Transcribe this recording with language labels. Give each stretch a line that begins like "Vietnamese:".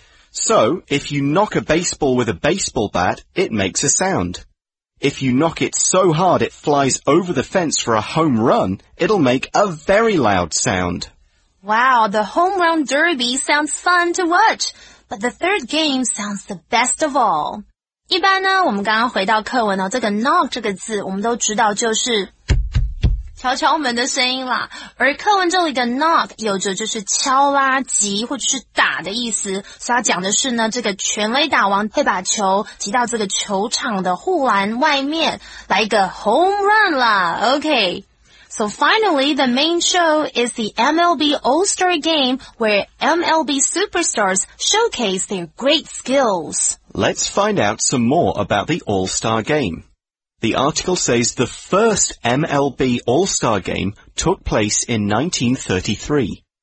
English: So, if you knock a baseball with a baseball bat, it makes a sound. If you knock it so hard it flies over the fence for a home run, it'll make a very loud sound. Wow, the home run derby sounds fun to watch, but the third game sounds the best of all.
Chinese: 一般呢，我们刚刚回到课文哦，这个 knock 这个字，我们都知道就是敲敲门的声音啦。而课文这里的 knock 有着就是敲啦、击或者是打的意思，所以要讲的是呢，这个全垒打王会把球击到这个球场的护栏外面，来一个 home run 啦。 OK。
English: So finally, the main show is the MLB All-Star Game, where MLB superstars showcase their great skills. Let's find out some more about the All-Star Game. The article says the first MLB All-Star Game took place in 1933.